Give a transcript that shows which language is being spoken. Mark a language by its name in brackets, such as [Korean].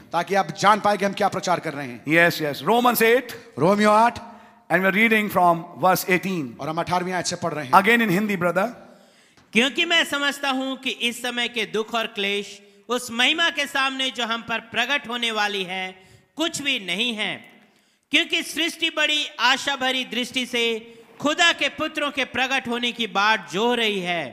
[Hindi] ताकि आप जान पाए कि हम क्या प्रचार कर रहे हैं. [English] Yes, yes. Romans 8. Romeo 8. And we're reading from verse 18. [Hindi] और हम 18वीं आयत से पढ़ रहे हैं. [English] Again in Hindi, brother. [Hindi] क्योंकि मैं समझता हूँ कि इस समय के दुख और क्लेश उस महिमा के सामने जो हम पर प्रकट होने वाली है कुछ भी नहीं है. क्योंकि सृष्टि बड़ी आशा भरी दृष्टि से खुदा के पुत्रों के प्रकट होने की बाट जो रही है.